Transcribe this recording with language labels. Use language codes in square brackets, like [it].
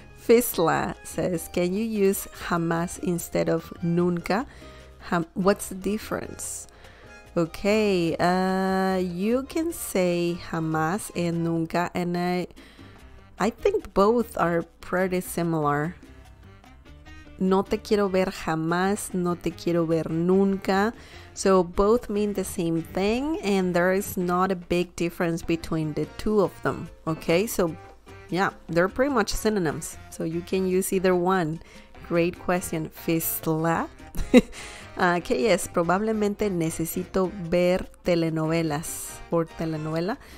[en] Fisla says, "Can you use jamás instead of nunca? What's the difference?" Okay, you can say jamás and nunca, and I think both are pretty similar. [es] No te quiero ver jamás, no te quiero ver nunca. [en] So both mean the same thing, and there is not a big difference between the two of them. Okay, so yeah, they're pretty much synonyms. So you can use either one. Great question, Fisla. [es] KS, probablemente necesito ver telenovelas. Or telenovela.